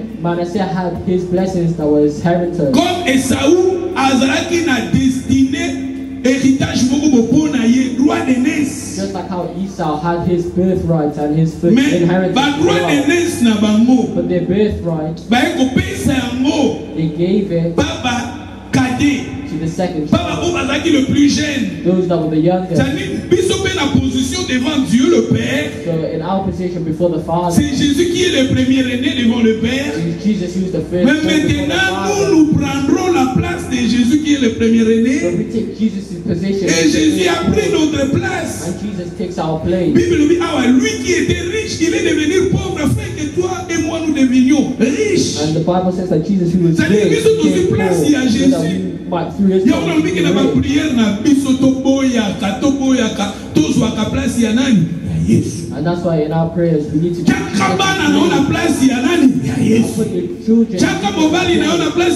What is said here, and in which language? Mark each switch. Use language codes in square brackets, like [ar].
[en] Manasse had his blessings that were his inheritance. [fr] Comme Esaou [ln] azalaki na [fr] destiné héritage [ln] moko [fr] pour [ln] na ye [fr] droit de naissance. [en] Just like how Esau had his birthright and his first inheritance. [fr] Droit de naissance [ln] na bango. [en] But their birthright. [ln] Ba ko pesa yango. [en] They gave it. Baba kadé. The second child, those that were the youngest. So in our position before the Father, [fr] c'est Jésus qui est le premier né devant le Père. [en] It's Jesus who is the first. [fr] Mais maintenant nous prendrons la place de Jésus qui est le premier né. [en] So we take Jesus' position. [fr] Et Jésus a pris notre place. [en] And Jesus takes our place. [fr] Bible dit, ah, lui qui était riche, il est devenu pauvre afin que toi et moi nous devenions riches. [en] And the Bible says that Jesus who was rich, so that we place in Jesus. And that's why in our prayers we need to put your children in the place of Jesus.